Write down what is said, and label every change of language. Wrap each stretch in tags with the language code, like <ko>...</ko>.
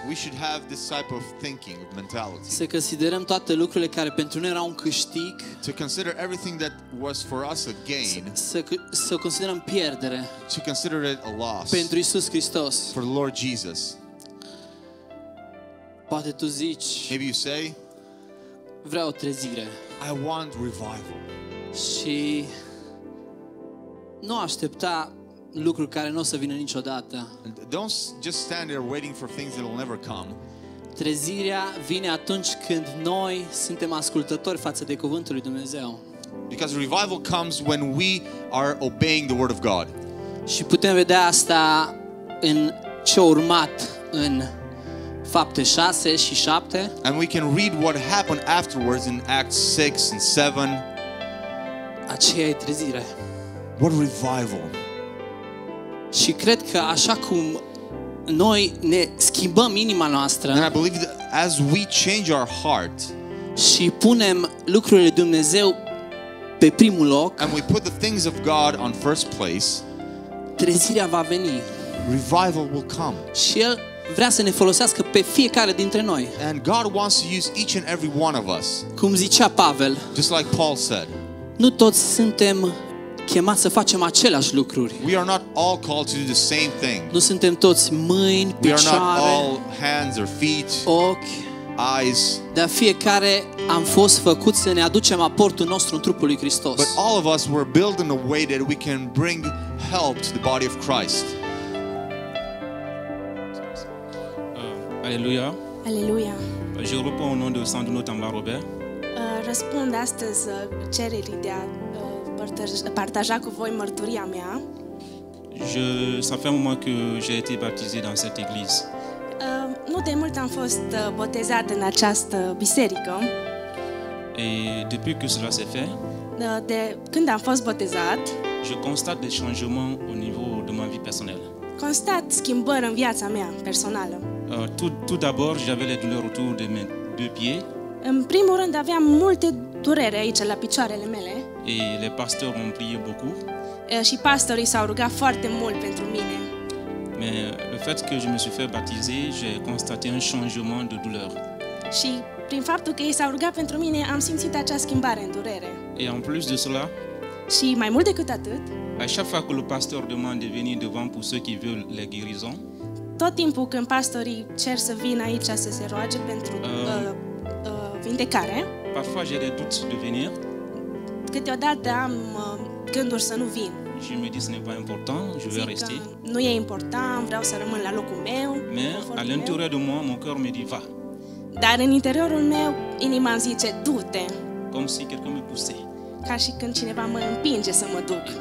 <en>We should have this type of thinking, mentality.</en> <ro>Să considerăm toate lucrurile care pentru noi erau un câștig.</ro> <en>To consider everything that was for us a gain.</en> <ro>Să considerăm pierdere.</ro> <en>To consider it a loss.</en> <ro>Pentru Iisus Hristos.</ro> <en>For the Lord Jesus.</en> <ro>Poate tu zici,</ro> <en>maybe you say,</en> <ro>vreau trezire.</ro> <en>I want revival.</en> <ro>Și nu aștepta lucruri care nu o să vină niciodată.</ro> <en>Don't just stand there waiting for things that will never come.</en> <ro>Trezirea vine atunci când noi suntem ascultători față de cuvântul lui Dumnezeu.</ro> <en>Because revival comes when we are obeying the word of God.</en> <ro>Și putem vedea asta în ce urmat în Fapte 6 și 7.</ro> <en>And we can read what happened afterwards in Acts 6 and 7.</en> <ro>Aceea e trezire.</ro> <en>What revival.</en> <ro>Și cred că așa cum noi ne schimbăm inima noastră,</ro> <en>and I believe that as we change our heart,</en> <ro>și punem lucrurile Dumnezeu pe primul loc,</ro> <en>and we put the things of God on first place,</en> <ro>trezirea va veni.</ro> <en>Revival will come.</en> <ro>Și El vrea să ne folosească pe fiecare dintre noi.</ro> <en>And God wants to use each and every one of us.</en> <ro>Cum zicea Pavel,</ro> <en>just like Paul said,</en> <ro>nu toți suntem chemați să facem aceleași lucruri.</ro> <en>We are not all called to do the same thing.</en> <ro>Nu suntem toți mâini, picioare,</ro> <en>we are not all hands or feet,</en> <ro>ochi,</ro> <en>eyes.</en> <ro>Dar fiecare am fost făcuți să ne aducem aportul nostru în trupul lui Hristos.</ro> <en>But all of us were built in a way that we can bring help to the body of Christ.</en> <ro>Aleluia.</ro> <en>Aleluia. Je rup un nom de sang de notam la Robert.</en> <ro>Răspund astăzi cererii de a partaja cu voi mărturia mea.</ro> <fr>Ça fait un moment que j'ai été baptisé dans cette église.</fr> <ro>Nu de mult am fost botezat în această biserică.</ro> <fr>Et depuis que cela s'est fait,</fr> <ro>de când am fost botezat,</ro> <fr>je constate des changements au niveau de ma vie personnelle.</fr> <ro>Constat schimbări în viața mea personală.</ro> <fr>Tout d'abord, j'avais les douleurs autour de mes deux pieds.</fr> <ro>În primul rând aveam multe dureri aici la picioarele mele.</ro> <fr>Et les pasteurs ont prié beaucoup.</fr> <ro>Și pastorii s-au rugat foarte mult pentru mine.</ro> <fr>Mais le fait que je me suis fait baptiser, j'ai constaté un changement de douleur.</fr> <ro>Și prin faptul că ei s-au rugat pentru mine, am simțit acea schimbare în durere.</ro> <fr>Et en plus de cela,</fr> <ro>și mai mult decât atât,</ro> <fr>à chaque fois que le pasteur demande de venir devant pour ceux qui veulent la guérison,</fr> <ro>tot timpul când pastorii cer să vină aici să se roage pentru vindecare,</ro> <fr>parfois j'ai des doutes de venir.</fr> <ro>Câteodată am gânduri să nu vin.</ro> <fr>Je me dis ce n'est pas important, je veux rester.</fr> <ro>Nu e important, vreau să rămân la locul meu.</ro> <fr>Mais à l'intérieur de moi, mon cœur me dit va.</fr> <ro>Dar în interiorul meu, inima îmi zice du-te.</ro> <fr>Comme si quelqu'un me poussait.</fr> <ro>Ca și când cineva mă împinge să mă duc.</ro>